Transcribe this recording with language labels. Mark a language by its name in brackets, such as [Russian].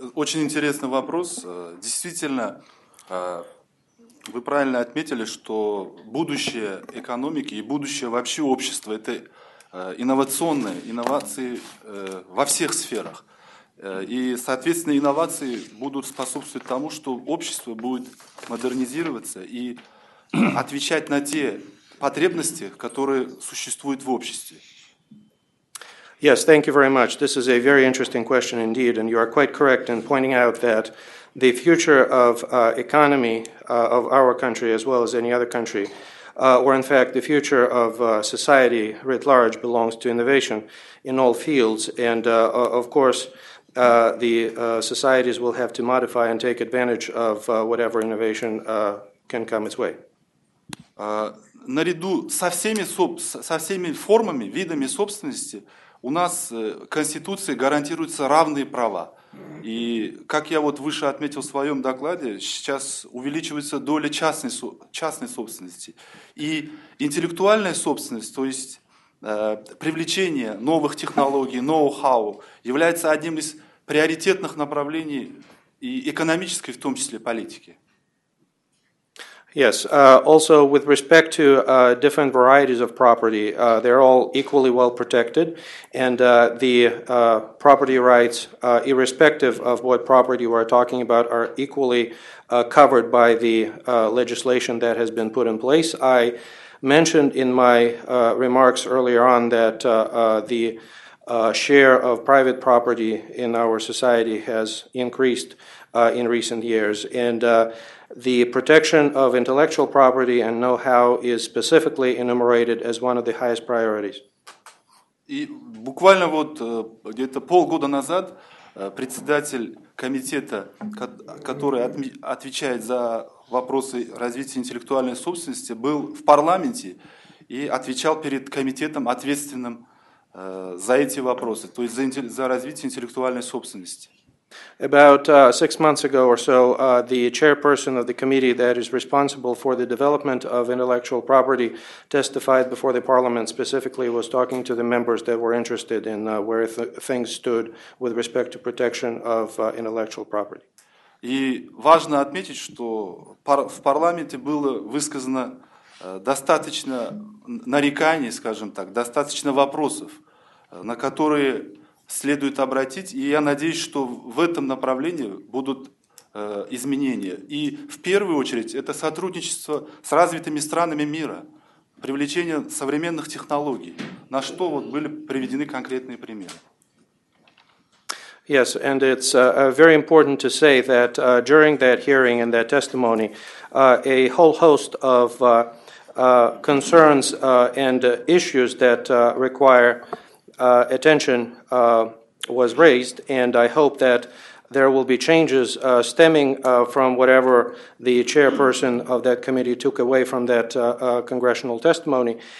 [Russian] Очень интересный вопрос. Действительно, вы правильно отметили, что будущее экономики и будущее вообще общества – это инновационные инновации во всех сферах. И, соответственно, инновации будут способствовать тому, что общество будет модернизироваться и отвечать на те потребности, которые существуют в обществе. [English] Yes, thank you very much. This is a very interesting question indeed, and you are quite correct in pointing out that the future of economy of our country, as well as any other country, or in fact the future of society writ large, belongs to innovation in all fields. And of course, the societies will have to modify and take advantage of whatever innovation can come its way. [Russian] Наряду со всеми формами, видами собственности, у нас в Конституции гарантируются равные права. И, как я вот выше отметил в своем докладе, сейчас увеличивается доля частной собственности. И интеллектуальная собственность, то есть привлечение новых технологий, ноу-хау, является одним из приоритетных направлений и экономической, в том числе, политики. [English] Yes. Also, with respect to different varieties of property, they're all equally well protected, and the property rights, irrespective of what property we are talking about, are equally covered by the legislation that has been put in place. I mentioned in my remarks earlier on that the share of private property in our society has increased in recent years, and the protection of intellectual property and know-how is specifically enumerated as one of the highest priorities. [Russian] И буквально вот где-то полгода назад председатель комитета, который отвечает за вопросы развития интеллектуальной собственности, был в парламенте и отвечал перед комитетом, ответственным за эти вопросы, то есть за развитие интеллектуальной собственности. [English] About 6 months ago or so, the chairperson of the committee that is responsible for the development of intellectual property testified before the parliament, specifically was talking to the members that were interested in where things stood with respect to protection of intellectual property. [Russian] И важно отметить, что в парламенте было высказано достаточно нареканий, скажем так, достаточно вопросов, на которые следует обратить, и я надеюсь, что в этом направлении будут изменения. И в первую очередь это сотрудничество с развитыми странами мира, привлечение современных технологий, на что вот были приведены конкретные примеры. [English] Yes, and it's very important to say that during that hearing and that testimony, a whole host of concerns and issues that require attention was raised, and I hope that there will be changes stemming from whatever the chairperson of that committee took away from that congressional testimony.